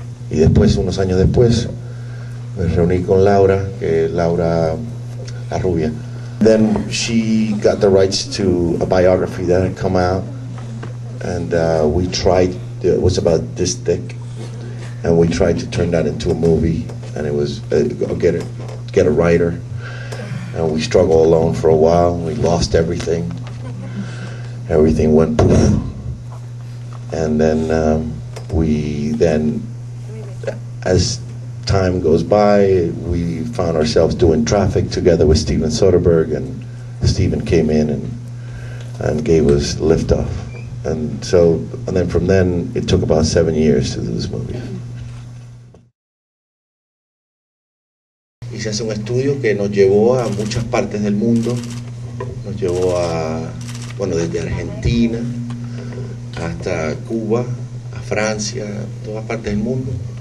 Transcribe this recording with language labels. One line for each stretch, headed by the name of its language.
Spanish: Y después, unos años después, me reuní con Laura, que es Laura la rubia.
English: Then she got the rights to a biography that had come out, and we tried, it was about this thick, and we tried to turn that into a movie, and it was get a writer. And we struggled alone for a while. We lost everything. Everything went poof. And then as time goes by, we found ourselves doing Traffic together with Steven Soderbergh, and Steven came in and gave us Liftoff. And then from then, it took about 7 years to do this movie.
Spanish: Y se hace un estudio que nos llevó a muchas partes del mundo, nos llevó a, bueno, desde Argentina hasta Cuba, a Francia, todas partes del mundo.